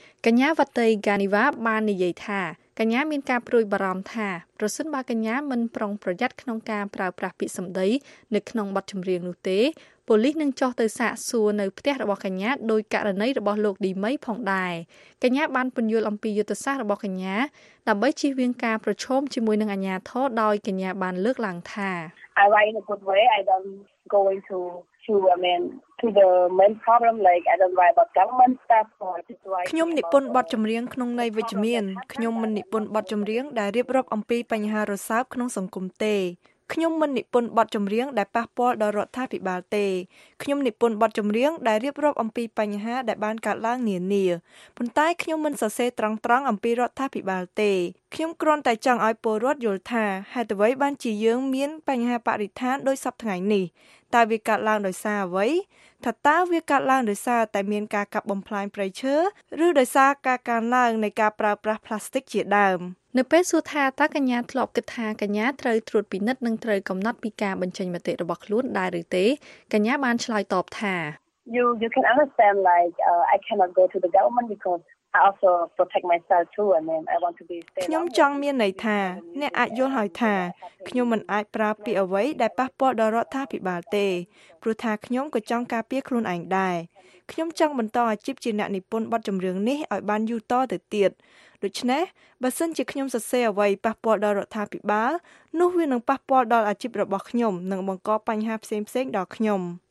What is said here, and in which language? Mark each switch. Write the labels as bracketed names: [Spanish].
[Khmer] កញ្ញាវត្តីហ្គានីវ៉ាបាននិយាយថាកញ្ញាមានការព្រួយបារម្ភថាប្រសិនបើកញ្ញាមិនប្រុងប្រយ័ត្នក្នុងការប្រើប្រាស់ពាក្យសម្ដីនៅក្នុងបទចម្រៀងនោះទេប៉ូលីសនឹងចោះទៅសាកសួរនៅផ្ទះរបស់កញ្ញាដោយករណីរបស់លោកឌីមីផងដែរកញ្ញាបានពន្យល់អំពីយុទ្ធសាស្ត្ររបស់កញ្ញាដើម្បីជៀសវាងការប្រឈមជាមួយនឹងអាជ្ញាធរដោយកញ្ញាបានលើកឡើងថា [English] I write in a good way I don't going to I mean to the main problem like I don't write about government stuff or just write [Khmer] ខ្ញុំនិពន្ធបទចម្រៀងក្នុងន័យវិជ្ជមានខ្ញុំមិននិពន្ធបទចម្រៀងដែលរៀបរាប់អំពីបញ្ហារសើបក្នុងសង្គមទេខ្ញុំមិននិពន្ធបទចម្រៀងដែលប៉ះពាល់ដល់រដ្ឋាភិបាលទេ ខ្ញុំនិពន្ធបទចម្រៀងដែលរៀបរាប់អំពីបញ្ហាដែលបានកើតឡើងនានាប៉ុន្តែខ្ញុំមិនសរសេរត្រង់ៗអំពីរដ្ឋាភិបាលទេខ្ញុំគ្រាន់តែចង់ឲ្យពលរដ្ឋយល់ថាហេតុអ្វីបានជាយើងមានបញ្ហាបរិស្ថានដូចសប្តាហ៍នេះតើវាកើតឡើងដោយសារអ្វីថាតើវាកើតឡើងដោយសារតែមានការកាប់បំផ្លាញព្រៃឈើឬដោយសារការកើនឡើងនៃការប្រើប្រាស់ផ្លាស្ទិកជាដើម នៅពេលសួរថាតើកញ្ញាធ្លាប់គិតថាកញ្ញាត្រូវត្រួតពិនិត្យនិងត្រូវកំណត់ពីការបញ្ចេញមតិរបស់ខ្លួនដែរឬទេកញ្ញាបានឆ្លើយតបថា [English] You can understand like I cannot go to the government becauseI also protect myself too and then I want to be stay [Khmer] ខ្ញុំចង់មានន័យថាអ្នកអាចយល់ហើយថាខ្ញុំមិនអាចប្រើពាក្យអ្វីដែលប៉ះពាល់ដល់រដ្ឋាភិបាលទេព្រោះថាខ្ញុំក៏ចង់ការពារខ្លួនឯងដែរខ្ញុំចង់បន្តអាជីពជាអ្នកនិពន្ធបទចម្រៀងនេះឲ្យបានយូរតទៅទៀតដូច្នេះបើសិនជាខ្ញុំសរសេរអ្វីប៉ះពាល់ដល់រដ្ឋាភិបាលនោះវានឹងប៉ះពាល់ដល់អាជីពរបស់ខ្ញុំនិងបង្កបញ្ហាផ្សេងៗដល់ខ្ញុំ